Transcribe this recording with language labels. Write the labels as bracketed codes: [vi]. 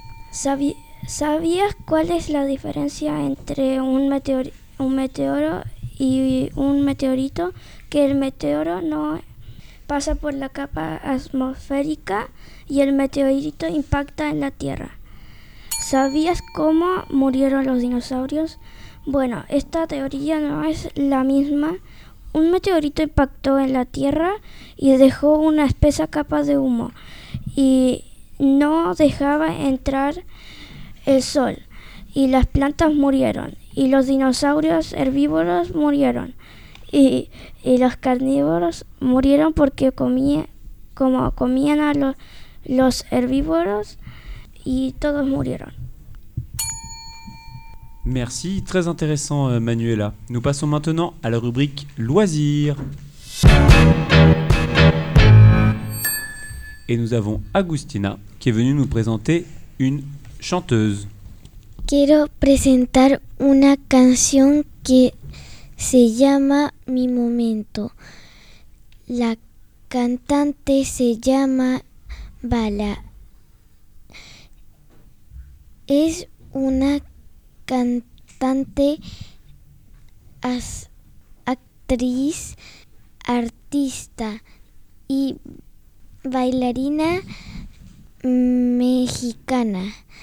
[fr] Saviez quelle est la différence entre un météore et un météorite? [es] Que el meteoro no pasa por la capa atmosférica y el meteorito impacta en la Tierra. ¿Sabías cómo murieron los dinosaurios? Bueno, esta teoría no es la misma. Un meteorito impactó en la Tierra y dejó una espesa capa de humo y no dejaba entrar el sol y las plantas murieron y los dinosaurios herbívoros murieron. Y los carnívoros murieron porque comían a los herbívoros y todos murieron. [fr] Merci, très intéressant Manuela. Nous passons maintenant à la rubrique loisirs. Et nous avons Agustina qui est venue nous présenter une chanteuse. [es] Quiero presentar una canción que se llama Mi Momento. La cantante se llama Bala. Es una cantante, actriz, artista y bailarina mexicana.